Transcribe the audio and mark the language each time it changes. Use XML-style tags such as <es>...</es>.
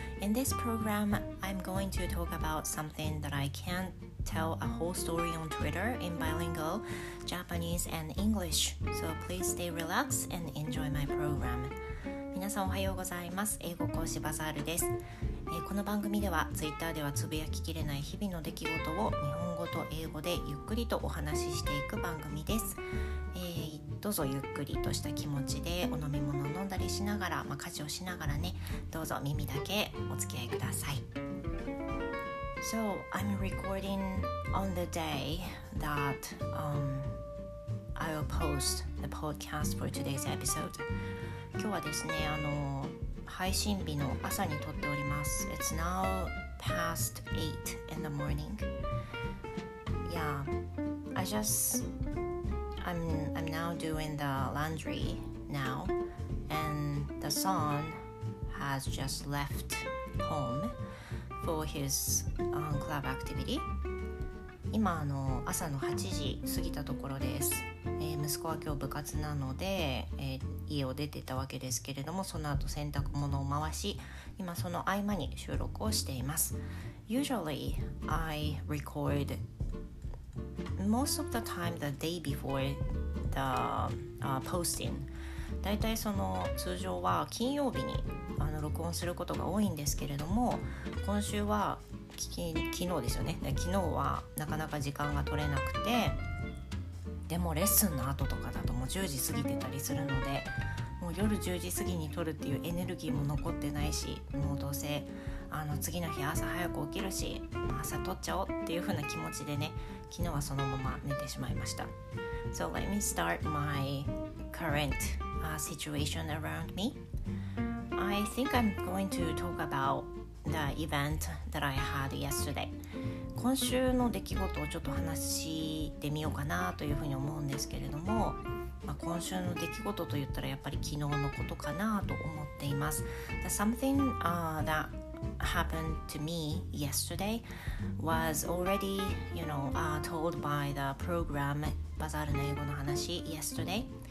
<en>In this program, I'm going to talk about something that I can't tell a whole story on Twitter in bilingual, Japanese, and English. So please stay relaxed and enjoy my program.</en> <ja>皆さんおはようございます。英語講師バザールです。この番組では、Twitter ではつぶやききれない日々の出来事を日本語と英語でゆっくりとお話ししていく番組です。どうぞゆっくりとした気持ちでお飲み物を飲んだりしながら、家事をしながらね、どうぞ耳だけお付き合いください。</ja> <en>So, I'm recording on the day that I will post the podcast for today's episode.</en> <ja>今日はですね、配信日の朝に撮っております。</ja> <en>It's now past 8 in the morning. Yeah, I'm now doing the laundry now, and the son has just left home for his club activity.</en> <ja>今朝の8時過ぎたところです。息子は今日部活なので、家を出てたわけですけれども、その後洗濯物を回し、今その合間に収録をしています。</ja> <en>Usually, I record most of the time the day before the posting.</en> <ja>だいたいその通常は金曜日に録音することが多いんですけれども、今週は昨日ですよね。昨日はなかなか時間が取れなくて、でもレッスンの後とかだともう10時過ぎてたりするので、もう夜10時過ぎに撮るっていうエネルギーも残ってないし、もうどうせ次の日朝早く起きるし、朝撮っちゃおうっていう風な気持ちでね、昨日はそのまま寝てしまいました。</ja> <en>So let me start my current situation around me. I think I'm going to talk about the event that I had yesterday.</en> <ja>今週の出来事をちょっと話してみようかなというふうに思うんですけれども、今週の出来事といったらやっぱり昨日のことかなと思っています。</ja> <en>The something that happened to me yesterday was already, you know, told by the program Bazaar の英語の話 yesterday.</en>